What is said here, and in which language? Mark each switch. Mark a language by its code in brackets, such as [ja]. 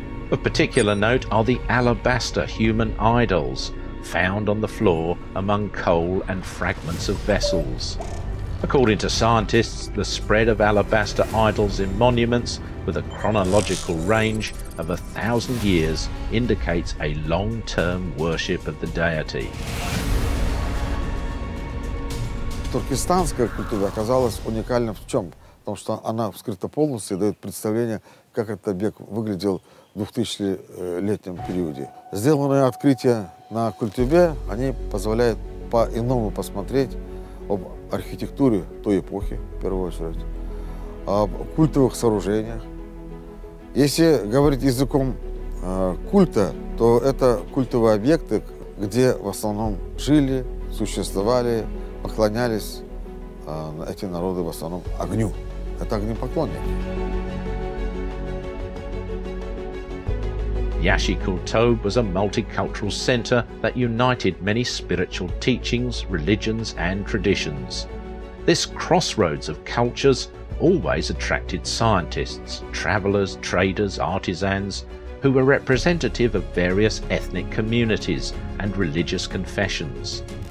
[en] Of particular note are the alabaster human idols, found on the floor among coal and fragments of vessels. According to scientists, the spread of alabaster idols in monuments with a chronological range of 1,000 years indicates a long-term worship of the deity. [ru] Туркестанская культура оказалась уникальна в чем? В том, что она вскрыта полностью и дает представление, как этот объект выглядел в 2000-летнем периоде. Сделанное открытие на Культубе, они позволяют по-иному посмотреть об архитектуре той эпохи, в первую очередь, об культовых сооружениях. Если говорить языком культа, то это культовые объекты, где в основном жили, существовали, поклонялись эти народы в основном огню. Это огнепоклонники. [en] Yashi Kultobe was a multicultural center that united many spiritual teachings, religions, and traditions. This crossroads of cultures always attracted scientists, travelers, traders, artisans, who were representative of various ethnic communities and religious confessions.